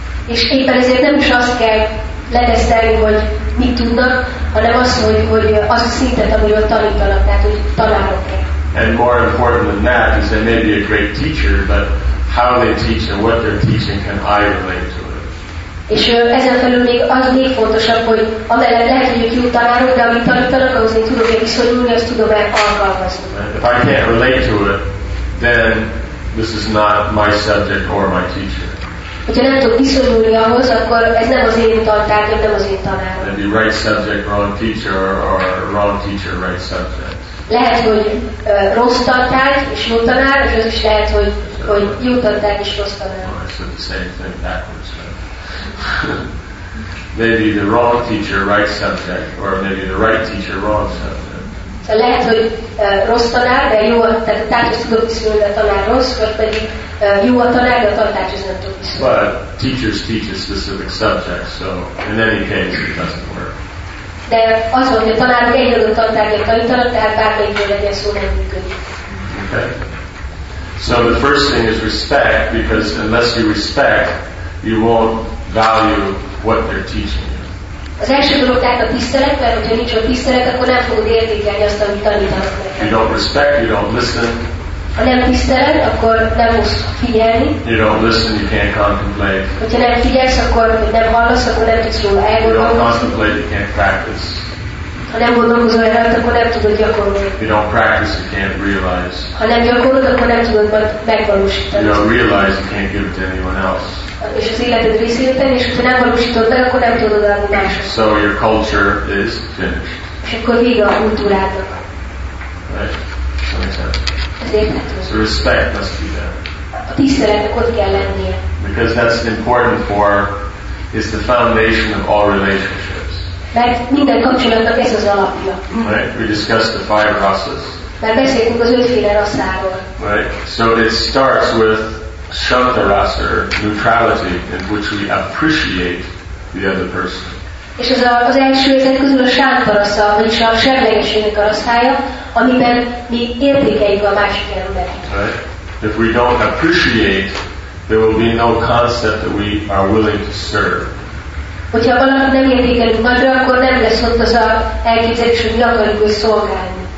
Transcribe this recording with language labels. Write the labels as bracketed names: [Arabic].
[Hungarian] És éppen ezért nem is azt kell leteszteni, hogy mit tudnak, hanem azt, hogy az a szintet, amiről tanítanak, tehát hogy tanárok-e. [English] And more important than that is they may be a great teacher, but how they teach and what they're teaching, can I relate to it? [Hungarian] És ezen felül még az még fontosabb, hogy amellett lehet, hogy ők jó tanárok, de amit tanítanak, ahhoz én tudok-e viszonyulni, azt tudom-e alkalmazni. [English] If I can't relate to it, then this is not my subject or my teacher. [Hungarian] Hogyha nem tudok viszonyulni ahhoz, akkor ez nem az én tantárgyam, nem az én tanárom. [English] Maybe right subject, wrong teacher, or wrong teacher, right subject. [Hungarian] Lehet, hogy rossz tantárgy és jó tanár, és az is lehet, hogy jó tantárgy és rossz tanár. [English] Oh, so the same thing backwards. Maybe the wrong teacher, right subject, or maybe the right teacher, wrong subject. [Hungarian] Lehet, hogy rossz tanár, de jó a tantárgy, és tudok viszonyulni a tanár rossz, vagy pedig jó a tanár, de a tantárgy is nem tudok viszonyulni. [English] But teachers teach a specific subject, so in any case it doesn't work. [Hungarian] De az, hogy a tanárok egy adott tantárgyat tanítanak, tehát bármelyikről legyen szó, nem működik. [English] Okay. So the first thing is respect, because unless you respect, you won't value what they're teaching you. [Hungarian] Az első dolog tehát a tisztelet, mert hogyha nincs a tisztelet, akkor nem fogod értékelni azt, amit tanítanak neked. [English] You don't respect, you don't listen. [Hungarian] Ha nem tisztelet, akkor nem fogsz figyelni. [English] You don't listen, you can't contemplate. [Hungarian] Hogyha nem figyelsz, akkor nem hallasz, akkor nem tudsz róla elgondolkodni. [English] You don't contemplate, you can't practice. [Hungarian] Ha nem gondolkozol erre, akkor nem tudod gyakorolni. [English] If you don't practice, you can't realize. [Hungarian] Ha nem gyakorolod, akkor nem tudod megvalósítani. [English] If you don't realize, you can't give it to anyone else. [Hungarian] És az életed részéleten, és ha nem valósítod el, akkor nem tudod adni másra. [English] So your culture is finished. [Hungarian] És akkor vége a kultúrádnak. [English] Right? [Hungarian] Ez érthető. [English] So respect must be there. [Hungarian] A tiszteletnek ott kell lennie. [English] Because that's important for, is the foundation of all relationships. [Hungarian] Mert minden kapcsolatnak ez az alapja. [English] Right? We discussed the five rasas. [Hungarian] Mert beszéltünk az ötféle rasszáról. [English] Right? So it starts with Shanta rasa, neutrality, in which we appreciate the other person. [Hungarian] És az, az első, ez egy közül a Shanta rasa, vagyis a semlegességnek a rasszája, amiben mi értékeljük a másik embert. [English] Right? If we don't appreciate, there will be no concept that we are willing to serve. [Hungarian] Hogyha valaki nem értékelünk nagyra, akkor nem lesz ott az a elképzelés, hogy mi akarjuk, hogy szolgálni.